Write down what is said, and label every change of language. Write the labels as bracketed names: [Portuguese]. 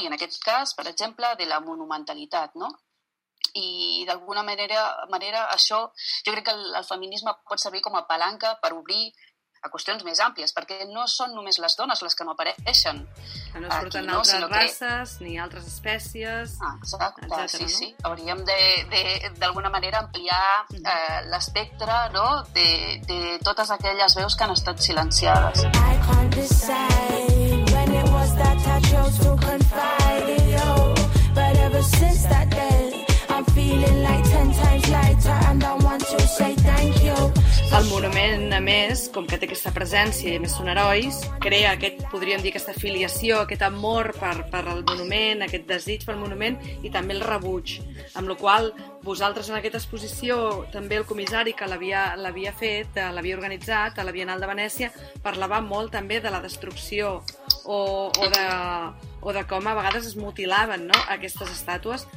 [Catalan] I en aquest cas, per exemple, de la monumentalitat, no? I d'alguna manera això, jo crec que el feminisme pot servir com a palanca per obrir a qüestions més àmplies, perquè no són només les dones les que no apareixen. Que no es porten altres races, ni altres espècies, exacte, etcètera, sí, no? Sí. Hauríem de d'alguna manera ampliar l'espectre, no?, de totes aquelles veus que han estat silenciades. [English] I can't decide when it was that I chose to confide in you, but ever since that day I'm feeling like 10 times lighter and I want to say thank you. [Catalan] El monument, a més, com que té aquesta presència i a més són herois, crea aquest, podríem dir, aquesta filiació, aquest amor per el monument, aquest desig pel monument i també el rebuig. Amb la qual vosaltres en aquesta exposició, també el comissari que l'havia fet, l'havia organitzat a la Bienal de Venècia, parlava molt també de la destrucció o de com a vegades es mutilaven, no?, aquestes estàtues.